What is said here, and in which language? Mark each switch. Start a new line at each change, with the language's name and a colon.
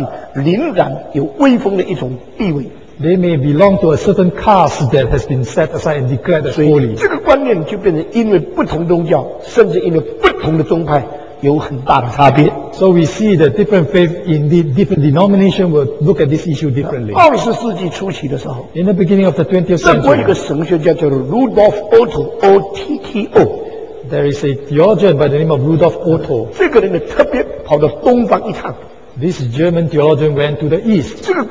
Chinese: 属于宗教领导层不可侵犯、凛然有威风的一种地位。
English: They may belong to a certain caste that has been set aside and declared as holy.
Chinese: 所以这个观念就变成因为不同宗教，甚至因为不同的宗派，有很大的差别。
English: So we see that different faith in the different denomination will look at this issue differently.
Chinese: 20世纪初期的时候，
English: in the beginning of the 20th century,
Chinese: 德国一个神学家叫做 Rudolf Otto, O-T-T-O.
English: There is a theologian by the name of Rudolf Otto.
Chinese: 这个人呢，特别跑到东方一趟。
English: This German theologian went to the East.